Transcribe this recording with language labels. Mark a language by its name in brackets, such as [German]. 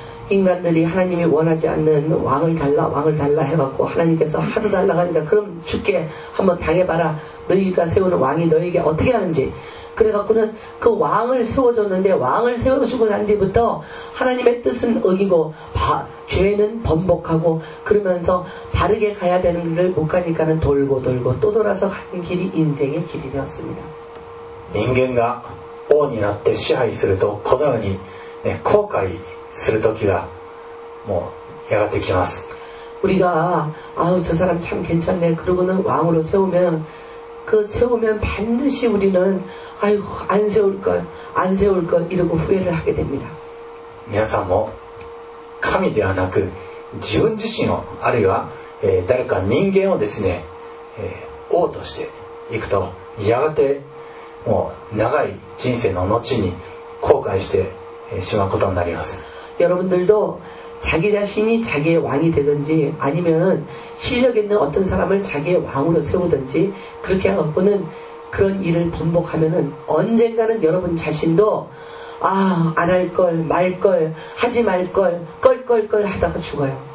[Korean] 인간들이하나님이원하지않는왕을달라왕을달라해갖고하나님께서하도달라가니까그럼죽게한번당해봐라，너희가세우는왕이너희에게어떻게하는지，그래갖고는그왕을세워줬는데왕을세워주고난뒤부터하나님의뜻은어기고죄는번복하고그러면서바르게가야되는길을못가니까는돌고돌고또돌아서한길이인생의길이되었습니다。 인간이왕이되어지배 [Japanese] するとこのように後悔する時がもうやがてきます。 [Korean] 우리가아우저사람참괜찮네그러고는왕으로세우면 그 세우면 반드시 우리는 아이고 안 세울 것, 안 세울 것 이러고 후회를 하게 됩니다. [Japanese] 皆さんも 神 ではなく 自分 自身を あるいは 誰か 人間を ですね 王 としていくと やがて もう 長 い 人生の 後に 後悔 して しまう こと になり ます. [Korean] 여러분들도 자기 자신이 자기의 왕이 되든지 아니면 실력 있는 어떤 사람을 자기의 왕으로 세우든지 그렇게 하고는 그런 일을 반복하면은 언젠가는 여러분 자신도 아, 안 할 걸, 말 걸, 하지 말 걸, 껄껄껄 하다가 죽어요.